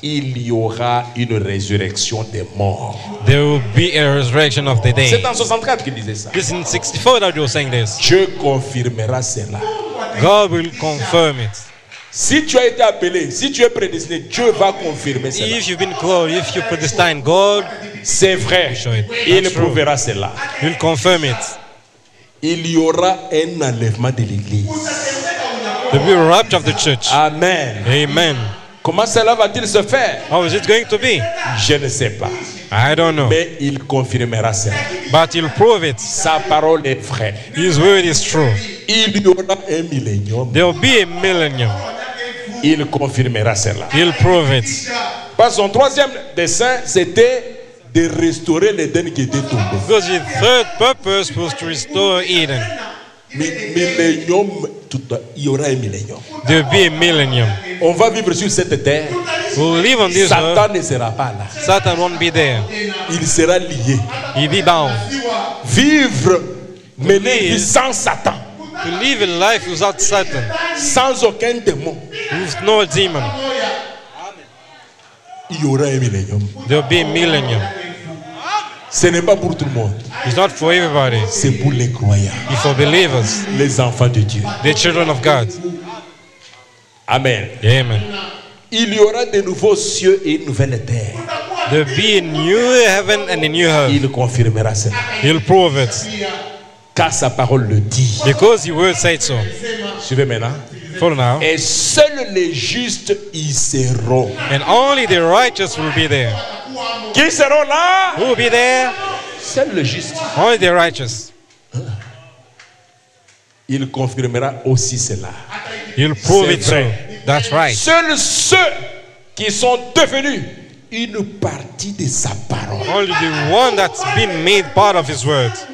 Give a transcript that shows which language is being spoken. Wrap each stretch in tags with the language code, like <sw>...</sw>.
<fr>il y aura une résurrection des morts.</fr> <en>There will be a resurrection of the dead.</en> <fr>C'est en 64 qu'il disait ça.</fr> <en>This is in 64 that you were saying this.</en> <fr>Dieu confirmera cela.</fr> <en>God will confirm it.</en> <fr>Si tu as été appelé, si tu es prédestiné, Dieu va confirmer cela.</fr> <en>If you've been called, if you're predestined, God,</en> <fr>c'est vrai,</fr> <en>will show it.</en> <fr>Il prouvera cela.</fr> <en>He'll confirm it.</en> <fr>Il y aura un enlèvement de l'église.</fr> <en>The rapture of the church.</en> <fr>Amen.</fr> <en>Amen.</en> <fr>Comment cela va-t-il se faire?</fr> <en>How is it going to be?</en> <fr>Je ne sais pas.</fr> <en>I don't know.</en> <fr>Mais il confirmera cela.</fr> <en>But he'll prove it.</en> <fr>Sa parole est vraie.</fr> <en>His word is true.</en> <fr>Il y aura un millénium.</fr> <en>There'll be a millennium.</en> <fr>Il confirmera cela.</fr> <en>He'll prove it.</en> <fr>Parce que son troisième dessein, c'était de restaurer l'Éden qui était tombé.</fr> <en>Because his third purpose was to restore Eden.</en> <fr>Millennium, tout, il y aura un millénium.</fr> <en>There will be a millennium.</en> <fr>On va vivre sur cette terre.</fr> <en>We'll live on this</en> <fr>Satan</fr> <en>earth.</en> <fr>Ne sera pas là.</fr> <en>Satan won't be there.</en> <fr>Il sera lié.</fr> <en>He'll be bound.</en> <fr>Vivre, mener une vie sans Satan.</fr> <en>To live a life without Satan.</en> <fr>Sans aucun démon.</fr> <en>With no demon.</en> <fr>Il y aura un millénium.</fr> <en>There will be a millennium.</en> <fr>Ce n'est pas pour tout le monde.</fr> <en>It's not for everybody.</en> <fr>C'est pour les croyants.</fr> <en>It's for believers.</en> <fr>Les enfants de Dieu.</fr> <en>The children of God.</en> <fr>Amen.</fr> <en>Amen.</en> <fr>Il y aura de nouveaux cieux et une nouvelle terre.</fr> <en>There'll be a new heaven and a new earth.</en> <fr>Il confirmera cela.</fr> <en>He'll prove it.</en> <fr>Car sa parole le dit.</fr> <en>Because his word said so.</en> <fr>Suivez maintenant.</fr> <en>For now.</en> <fr>Et seuls les justes y seront.</fr> <en>And only the righteous will be there.</en> <fr>Qui seront là?</fr> <en>Who will be there?</en> <fr>Seul le juste.</fr> <en>Only the righteous.</en> <fr>Il confirmera aussi cela.</fr> <en>He'll prove</en> <fr>c'est</fr> <en>it</en> <fr>vrai.</fr> <en>True. That's right.</en> <fr>Seuls ceux qui sont devenus une partie de sa parole.</fr> <en>Only the one that's been made part of his word.</en>